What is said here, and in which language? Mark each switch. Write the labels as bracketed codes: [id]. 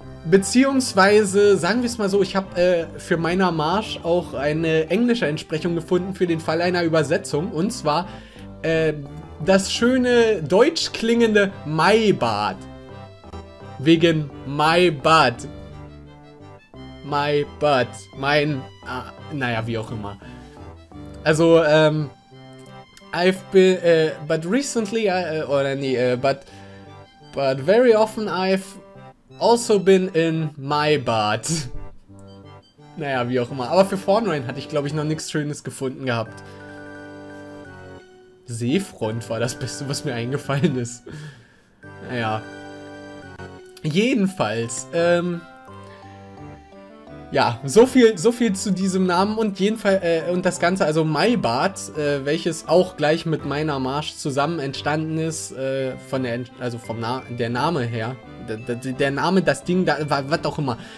[de] Beziehungsweise, sagen wir es mal so, ich habe für meiner Marsch auch eine englische Entsprechung gefunden für den Fall einer Übersetzung. Und zwar das schöne deutsch klingende Maibad. Wegen Maibad. Maibad. Mein, naja, wie auch immer. [en] Also, I've been, but recently, but very often I've also been in my bad. [de] Naja, wie auch immer. Aber für Thornrhein hatte ich, glaube ich, noch nichts Schönes gefunden gehabt. Seefront war das Beste, was mir eingefallen ist. Naja. Jedenfalls, ja, so viel zu diesem Namen und jedenfalls und das Ganze, also Maibad, welches auch gleich mit meiner Marsch zusammen entstanden ist, von der also vom der Name her, der Name, das Ding, da, was auch immer.